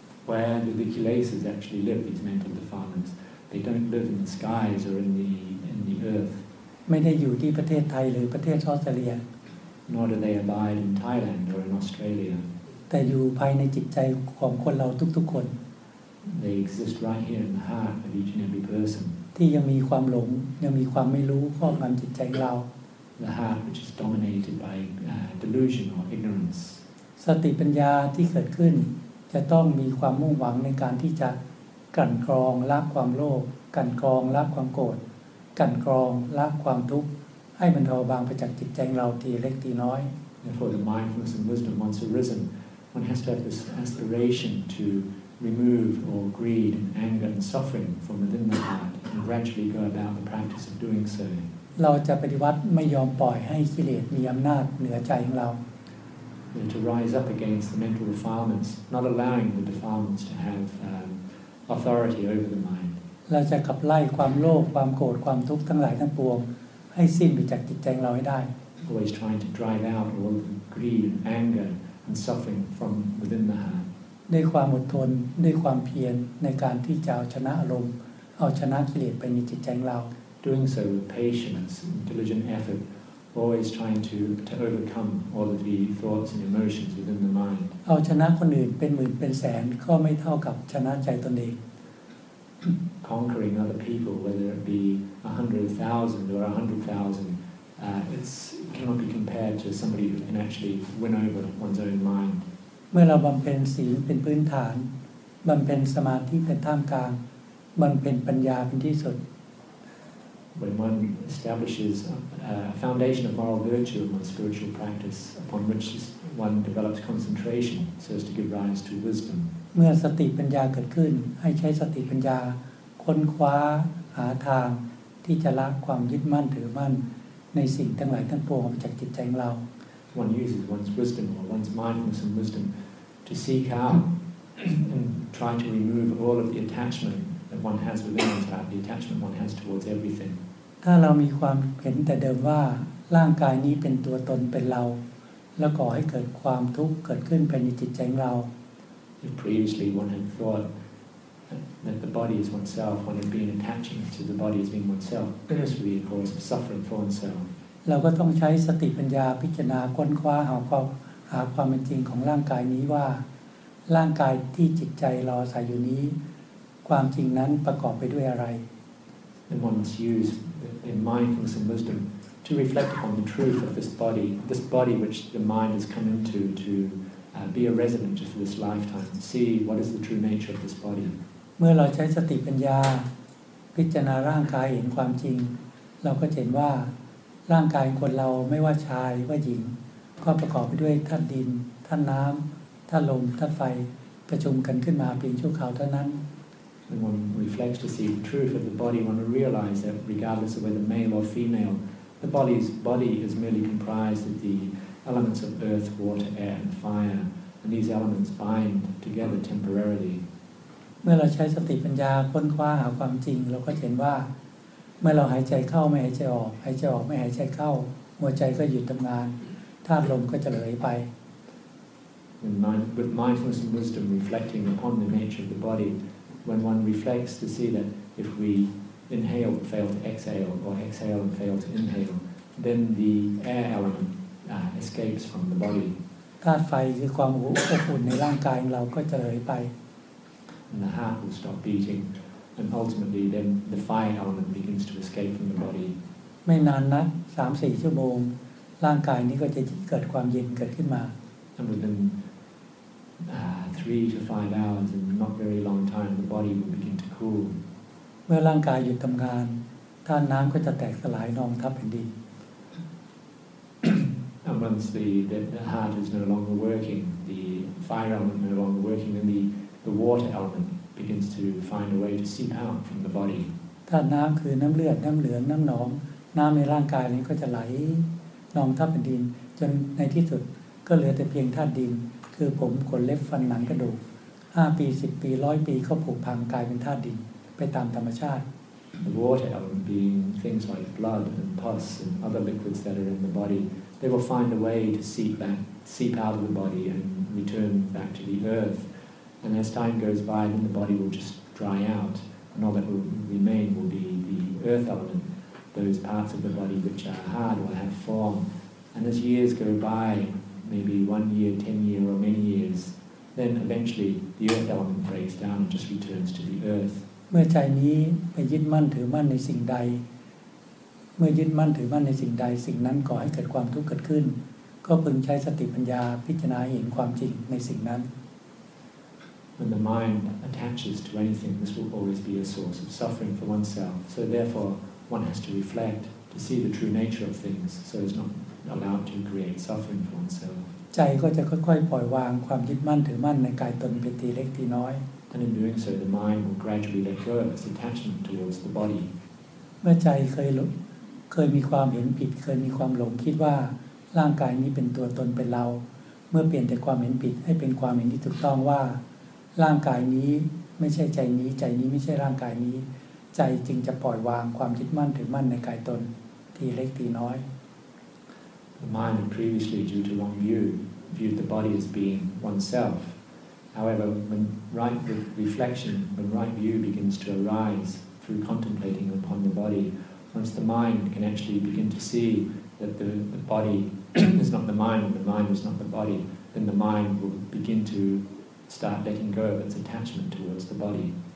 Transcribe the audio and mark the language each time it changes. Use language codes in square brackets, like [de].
[en] Where do the kilesas actually live? These mental defilements. They don't live in the skies or in the earth. [th] ไม่ได้อยู่ที่ประเทศไทยหรือประเทศออสเตรเลีย [en] Nor do they abide in Thailand or in Australia. [th] แต่อยู่ภายในจิตใจของคนเราทุกๆคน [en] They exist right here in the heart of each and every person. [th] ที่ยังมีความหลงยังมีความไม่รู้ครอบงำจิตใจเรา [en] The heart which is dominated by delusion or ignorance. [th] สติปัญญาที่เกิดขึ้นจะต้องมีความมุ่งหวังในการที่จะกันกรองละความโลภกันกรองละความโกรธกันกรองละความทุกข์ให้บรรเทาบางไปจากจิตใจเราทีเล็กทีน้อย [en] Therefore the mindfulness and wisdom once arisen one has to have this aspiration to remove all greed and anger and suffering from within the heart and gradually go about the practice of doing so [th] เราจะปฏิวัติไม่ยอมปล่อยให้กิเลสมีอำนาจเหนือใจของเรา [en] to rise up against the mental defilements not allowing the defilements to haveauthority over the mind [th] เราจะขับไล่ความโลภความโกรธความทุกข์ทั้งหลายทั้งปวงให้สิ้นไปจากจิตใจเราให้ได้ [en] Always trying to drive out all the greed and anger and suffering from within the heart [th] ด้วยความอดทนด้วยความเพียรในการที่จะเอาชนะอารมณ์เอาชนะกิเลสไปในจิตใจเรา [en] doing so with patience and diligent effort, always trying to overcome all of the thoughts and emotions within the mind. [th] เอาชนะคนอื่นเป็นหมื่นเป็นแสนก็ไม่เท่ากับชนะใจตนเอง [en] Conquering other people, whether it be 100,000 or 100,000, it cannot be compared to somebody who can actually win over one's own mind. [th] เมื่อเราบำเพ็ญศีลเป็นพื้นฐานบำเพ็ญสมาธิเป็นท่ามกลางบำเพ็ญปัญญาเป็นที่สุด [en] When one establishes a foundation of moral virtue in one's spiritual practice, upon which one develops concentration, so as to give rise to wisdom. [th] เมื่อสติปัญญาเกิดขึ้นให้ใช้สติปัญญาค้นคว้าหาทางที่จะละความยึดมั่นถือมั่นในสิ่งทั้งหลายทั้งปวงออกจากจิตใจของเรา [en] One uses one's wisdom or one's mindfulness and wisdom to seek out and try to remove all of the attachment that one has within oneself, the attachment one has towards everything. [th] ถ้าเรามีความเห็นแต่เดิมว่าร่างกายนี้เป็นตัวตนเป็นเราแล้วก่อให้เกิดความทุกข์เกิดขึ้นภายในจิตใจของเรา [en] If previously one had thought that the body is oneself, one had been attaching to the body as being oneself, this would be a cause of suffering for oneself. [th] เราก็ต้องใช้สติปัญญาพิจารณาค้นคว้าหาความเป็นจริงของร่างกายนี้ว่าร่างกายที่จิตใจเราอาศัยอยู่นี้ความจริงนั้นประกอบไปด้วยอะไร [en] Then one must use the mindfulness and wisdom to reflect upon the truth of this body which the mind has come into to be a resonant for this lifetime see what is the true nature of this body [th] เมื่อเราใช้สติปัญญาพิจารณาร่างกายเห็นความจริงเราก็เห็นว่าร่างกายคนเราไม่ว่าชายว่าหญิงก็ประกอบไปด้วยธาตุดินธาตุน้ำธาตุลมธาตุไฟประชุมกันขึ้นมาเป็นชั่วคราวเท่านั้น [en] When one reflects to see the truth of the body, one will realize that regardless of whether male or female, the body is merely comprised of the elements of earth, water, air, and fire, and these elements bind together temporarily. [th] เมื่อเราใช้สติปัญญาค้นคว้าหาความจริงเราก็เห็นว่าเมื่อเราหายใจเข้าไม่หายใจออกหายใจออกไม่หายใจเข้าหัวใจก็หยุดทำงานธาตุลมก็จะเหลยไป [en] With mindfulness and wisdom reflecting upon the nature of the body, when one reflects to see that if we inhale and fail to exhale, or exhale and fail to inhale, then the air element escapes from the body. [th] ธาตุไฟคือความอบอุ่นในร่างกายเราก็จะเหลยไป [en] And the heart will stop beating. And ultimately, then the fire element begins to escape from the body. [th] ไม่นานนัก 3-4 ชั่วโมงร่างกายนี้ก็จะเกิดความเย็นเกิดขึ้นมา [en] And within 3-5 hours, in not very long time, the body will begin to cool. [th] เมื่อร่างกายหยุดทำงานธาตุน้ำก็จะแตกสลายนองทับแผ่นดิน [en] And once the heart is no longer working, the fire element no longer working, then the water elementbegins to find a way to seep out from the body. [th] ธาตุน้ำคือน้ำเลือดน้ำเหลืองน้ำหนองน้ำในร่างกายนี้ก็จะไหลนองทับแผ่นดินจนในที่สุดก็เหลือแต่เพียงธาตุดินคือผมขนเล็บฟันหนังกระดูก5ปี10ปี100ปีก็ผุพังกลายเป็นธาตุดินไปตามธรรมชาติ [en] The water element being things like blood and pus and other liquids that are in the body, they will find a way to seep out of the body and return back to the earthAnd as time goes by, then the body will just dry out, and all that will remain will be the earth element, those parts of the body which are hard or have form. And as years go by, maybe 1 year, 10 years, or many years, then eventually the earth element breaks down and just returns to the earth. [th] เมื่อใจนี้ไปยึดมั่นถือมั่นในสิ่งใดเมื่อยึดมั่นถือมั่นในสิ่งใดสิ่งนั้นก่อให้เกิดความทุกข์เกิดขึ้นก็พึงใช้สติปัญญาพิจารณาเห็นความจริงในสิ่งนั้น [en] When the mind attaches to anything, this will always be a source of suffering for oneself. So therefore, one has to reflect to see the true nature of things, so as not allowed to create suffering for oneself. [th] ใจก็จะค่อยๆปล่อยวางความยึดมั่นถือมั่นในกายตนเป็นทีเล็กทีน้อย [en] And in doing so, the mind will gradually let go of its attachment towards the body. [th] เมื่อใจเคยมีความเห็นผิดเคยมีความหลงคิดว่าร่างกายนี้เป็นตัวตนเป็นเราเมื่อเปลี่ยนจากความเห็นผิดให้เป็นความเห็นที่ถูกต้องว่าร่างกายนี้ไม่ใช่ใจนี้ใจนี้ไม่ใช่ร่างกายนี้ใจจึงจะปล่อยวางความยึดมั่นถือมั่นในกายตนทีเล็กทีน้อย [en] The mind had previously, due to wrong view, viewed the body as being oneself. However, when right reflection, when right view begins to arise through contemplating upon the body, once the mind can actually begin to see that the body is not the mind, and the mind is not the body, then the mind will begin to start letting go of its attachment towards the body.